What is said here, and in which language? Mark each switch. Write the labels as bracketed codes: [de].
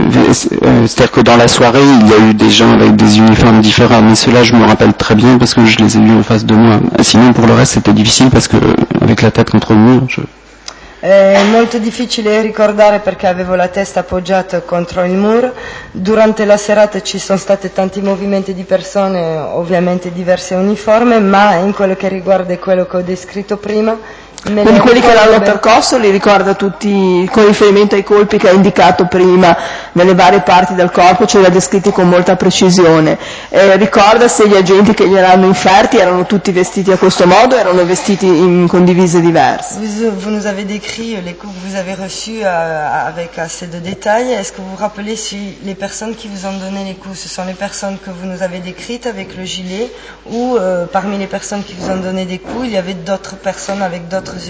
[fr] C'est-à-dire que dans la soirée il y a eu des gens avec des uniformes différents, mais cela je me rappelle très bien parce que je les ai vus en face de moi. Sinon pour le reste c'était difficile parce que avec la tête contre le mur je... [it] È molto difficile ricordare perché avevo la testa appoggiata contro il muro. Durante la serata ci sono stati tanti movimenti di persone, ovviamente diverse uniforme, ma in quello che riguarda quello che ho descritto prima. Quindi quelli che l'hanno percosso li ricorda tutti con riferimento ai colpi che ha indicato prima nelle varie parti del corpo, ce li ha descritti con molta precisione. Ricorda se gli agenti che gliel'hanno inferti erano tutti vestiti a questo modo o erano vestiti in condivise diverse? [fr] Vous nous avez décrit les coups que vous avez reçus avec assez de détails. Est-ce que vous vous rappelez si les personnes qui vous ont donné les coups, ce sont les personnes que vous nous avez décrites avec le gilet ou parmi les personnes qui vous ont donné des coups, il y avait d'autres personnes avec d'autres